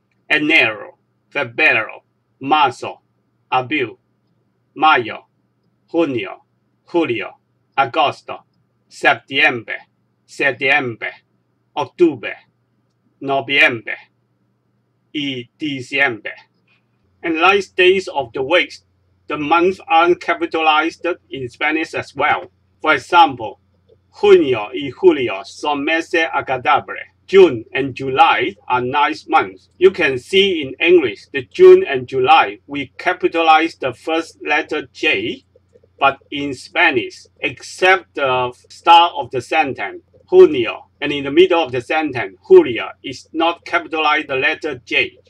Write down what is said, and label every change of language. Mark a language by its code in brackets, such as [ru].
[es] Enero, febrero, marzo, abril, mayo, junio, julio, agosto, septiembre, septiembre, octubre, noviembre, y diciembre. [en] And like days of the week, the months aren't capitalized in Spanish as well. For example, [es] junio y julio son meses agradables. [en] June and July are nice months. You can see in English, the June and July, we capitalize the first letter J. But in Spanish, except the start of the sentence, junio, and in the middle of the sentence, julio, is not capitalized the letter J.